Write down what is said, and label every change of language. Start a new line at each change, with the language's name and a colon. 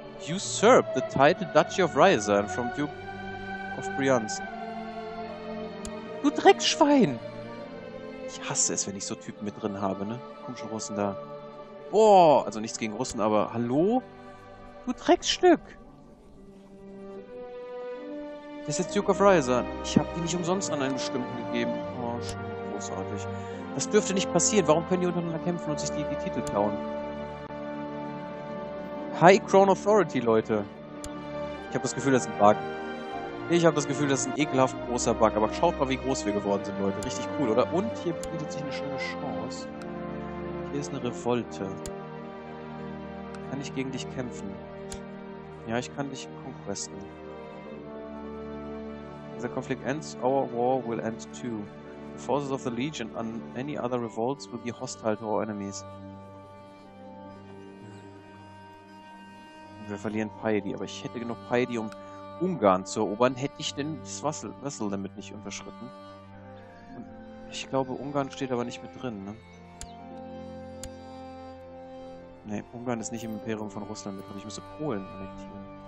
English: Usurp the title Duchy of Ryazan from Duke of Briance.
German: Du Dreckschwein! Ich hasse es, wenn ich so Typen mit drin habe, ne? Komische Russen da. Boah, also nichts gegen Russen, aber hallo? Du Drecksstück! Das ist jetzt Duke of Ryazan. Ich habe die nicht umsonst an einen bestimmten gegeben. Oh, großartig. Das dürfte nicht passieren. Warum können die untereinander kämpfen und sich die Titel klauen? High Crown Authority, Leute. Ich habe das Gefühl, das ist ein Bug. Ich habe das Gefühl, das ist ein ekelhaft großer Bug. Aber schaut mal, wie groß wir geworden sind, Leute. Richtig cool, oder? Und hier bietet sich eine schöne Chance. Hier ist eine Revolte. Kann ich gegen dich kämpfen? Ja, ich kann dich conquesten.
English: The conflict ends, our war will end too. The forces of the Legion and any other revolts will be hostile to our enemies.
German: Wir verlieren Piety, aber ich hätte genug Piety, um Ungarn zu erobern, hätte ich denn das Vassal damit nicht unterschritten. Und ich glaube, Ungarn steht aber nicht mit drin, ne? Ne, Ungarn ist nicht im Imperium von Russland mit drin. Ich müsste Polen annektieren.